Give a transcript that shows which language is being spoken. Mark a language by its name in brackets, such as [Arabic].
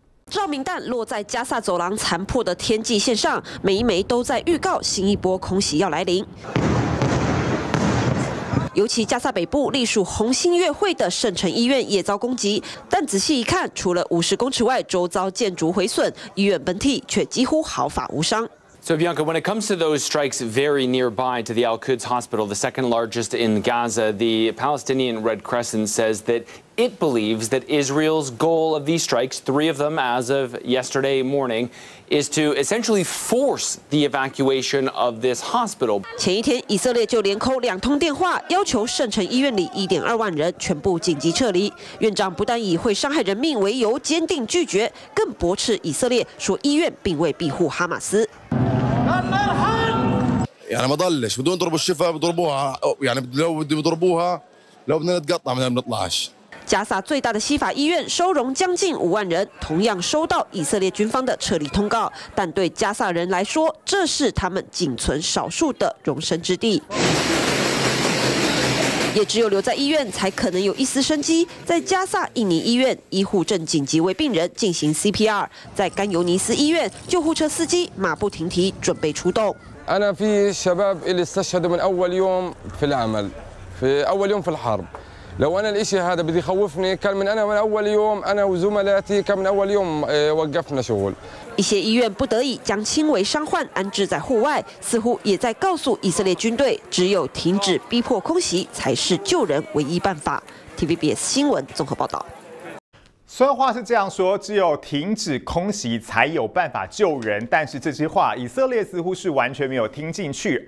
[Chinese] 照明弹落在加萨走廊残破的天际线上，每一枚都在预告新一波空袭要来临。尤其加萨北部隶属红星月会的圣城医院也遭攻击，但仔细一看，除了50公尺外，周遭建筑毁损，医院本体却几乎毫发无伤。 [English] So Bianca, when it comes to those strikes very nearby to the Al-Quds Hospital, the second largest in Gaza, the Palestinian Red Crescent says that it believes that Israel's goal of these strikes, three of them as of yesterday morning, is to essentially force the evacuation of this hospital. [Chinese] 前一天，以色列就连扣2通电话，要求圣城医院里1.2万人全部紧急撤离。院长不但以会伤害人命为由坚定拒绝，更驳斥以色列说医院并未庇护哈马斯。 [Arabic] يعني ما ضلش بدون ضرب الشفاء بضربوها يعني لو بدي بضربوها لو بدنا نتقطع منها بنطلعش [Chinese] 加萨最大的西法医院收容将近50000人，同样收到以色列军方的撤离通告，但对加萨人来说，这是他们仅存少数的容身之地。也只有留在医院才可能有一丝生机。在加萨印尼医院，医护正紧急为病人进行 CPR。在甘尤尼斯医院，救护车司机马不停蹄准备出动。 [Arabic] أنا في شباب اللي استشهدوا من أول يوم في العمل في أول يوم في الحرب. لو أنا الإشي هذا بدي خوفني كان من أنا من أول يوم أنا وزملائي كان من أول يوم وقفنا شغل. [Chinese] 一些医院不得已将轻微伤患安置在户外，似乎也在告诉以色列军队，只有停止逼迫空袭才是救人唯一办法。 TVBS 新闻综合报道。虽然话是这样说，只有停止空袭才有办法救人，但是这些话以色列似乎是完全没有听进去。